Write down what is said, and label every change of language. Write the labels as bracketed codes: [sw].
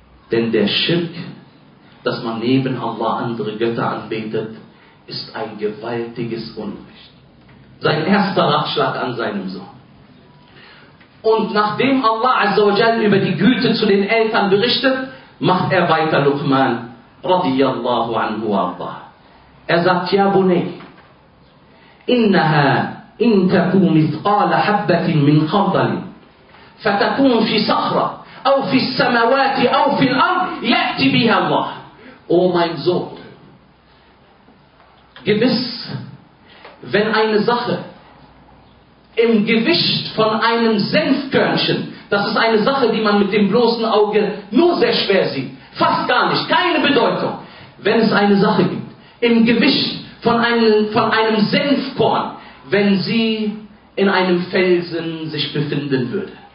[de] Denn der Schirk, dass man neben Allah andere Götter anbetet, ist ein gewaltiges Unrecht. Sein erster Ratschlag an seinem Sohn. Und nachdem Allah Azza wa Jalla über die Güte zu den Eltern berichtet, macht er weiter Luqman, radiyallahu anhu arda. Er sagt, ja, [ar] Bunay, إنها إن تكون مثقال حبة من خردل فتكون في صخرة أو في السماوات أو في الأرض يأتي بها الله. [de] Oh mein Sohn, gewiss, wenn eine Sache im Gewicht von einem Senfkörnchen, das ist eine Sache, die man mit dem bloßen Auge nur sehr schwer sieht, fast gar nicht, keine Bedeutung, wenn es eine Sache gibt, im Gewicht von einem Senfkorn, wenn sie in einem Felsen sich befinden würde.